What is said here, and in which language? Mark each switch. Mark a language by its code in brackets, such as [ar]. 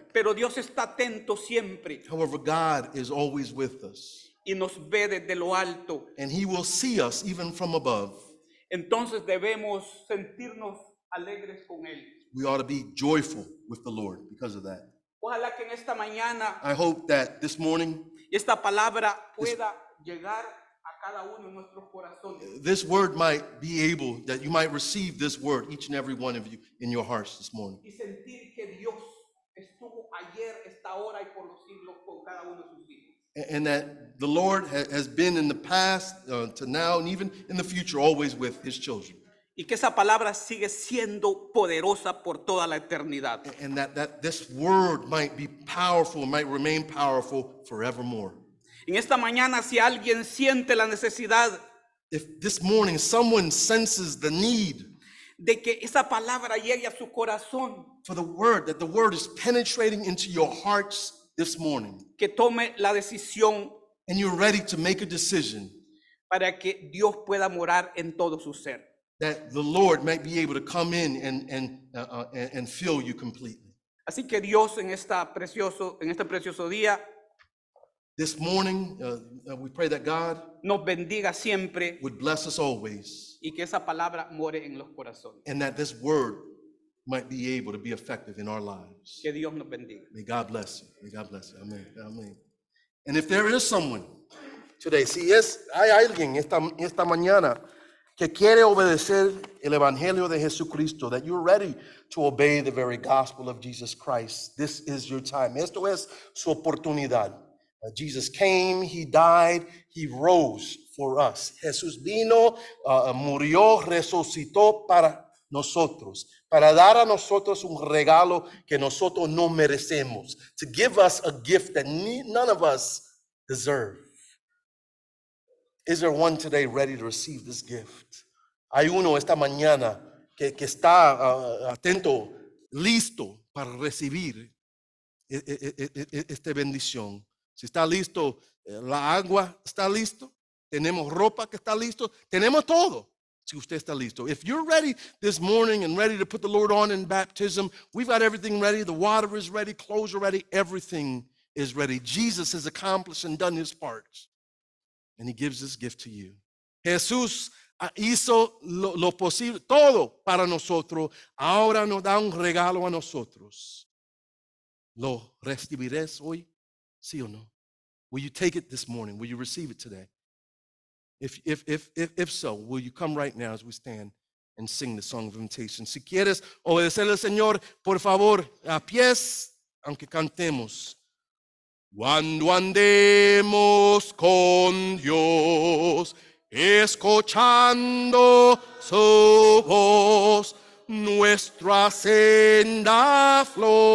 [es] Pero Dios está atento siempre. [en] However, God is always with us. [es] Y nos ve desde lo alto. [en] And He will see us even from above. [es] Entonces debemos sentirnos alegres con Él. [en] We ought to be joyful with the Lord because of that. [es] Ojalá que en esta mañana, [en] I hope that this morning, [es] esta palabra pueda llegar cada uno en nuestros corazones. [en] This word might be able that you might receive this word, each and every one of you, in your hearts this morning. [es] Y sentir que Dios estuvo ayer, esta hora, y por los siglos con cada uno de sus hijos. [en] And that the Lord has been in the past to now and even in the future always with His children. [es] Y que esa palabra sigue siendo poderosa por toda la eternidad. [en] And that this word might be powerful, might remain powerful forevermore. [es] En esta mañana, si alguien siente la necesidad, [en] if this morning someone senses the need, [es] de que esa palabra llegue a su corazón, [en] for the word, that the word is penetrating into your hearts this morning, [es] que tome la decisión, [en] and you're ready to make a decision, [es] para que Dios pueda morar en todo su ser, [en] that the Lord might be able to come in and fill you completely. [es] Así que Dios en esta precioso día, [en] This morning, we pray that God [es] nos bendiga siempre, [en] would bless us always, [es] y que esa palabra more en los corazones, [en] and that this word might be able to be effective in our lives. [es] Que Dios nos bendiga. [en] May God bless you. May God bless you. Amen. Amen. And if there is someone today, [es] si es hay alguien esta mañana que quiere obedecer el evangelio de Jesucristo, [en] that you're ready to obey the very gospel of Jesus Christ, this is your time. [es] Esto es su oportunidad. [en] Jesus came, he died, he rose for us. [es] Jesús vino, murió, resucitó para nosotros, para dar a nosotros un regalo que nosotros no merecemos, [en] to give us a gift that none of us deserve. Is there one today ready to receive this gift? [es] Hay uno esta mañana que está atento, listo para recibir esta bendición. Si está listo, la agua está listo. Tenemos ropa que está listo. Tenemos todo. Si usted está listo. [en] If you're ready this morning and ready to put the Lord on in baptism, we've got everything ready. The water is ready. Clothes are ready. Everything is ready. Jesus has accomplished and done his part. And he gives this gift to you. [es] Jesús hizo lo posible, todo para nosotros. Ahora nos da un regalo a nosotros. ¿Lo recibirás hoy? ¿Sí o no? [en] Will you take it this morning? Will you receive it today? If so, will you come right now as we stand and sing the song of invitation? [es] Si quieres obedecer al Señor, por favor, a pies, aunque cantemos. Cuando andemos con Dios, escuchando su voz, nuestra senda flor.